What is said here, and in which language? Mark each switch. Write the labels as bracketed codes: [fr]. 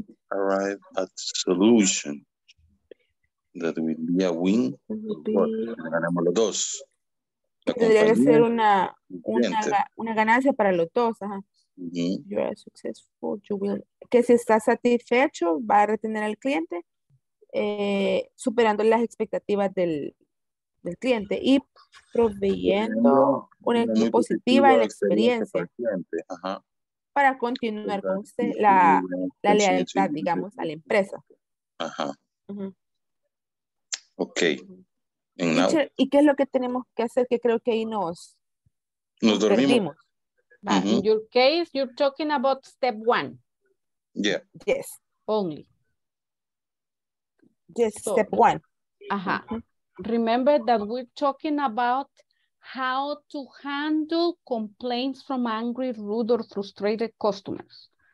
[en] arrive at solution that will be a win. [es] Ganamos los dos. Tendría que ser una ganancia para los dos. Ajá. Mm-hmm. [en] You are successful. You will. [es] Que si está satisfecho, va a retener al cliente, superando las expectativas del cliente y proveyendo una muy positiva en la experiencia para continuar con usted la lealtad, digamos, a la empresa. Ajá. Uh-huh. [en] Ok. And [es] now, ¿y qué es lo que tenemos que hacer? Que creo que ahí nos dormimos. Perdimos. Uh-huh. [en] In your case, you're talking about step one. Yeah. Yes. Only. Yes, so, step one. Ajá. Uh-huh. Remember that we're talking about how to handle complaints from angry, rude, or frustrated customers.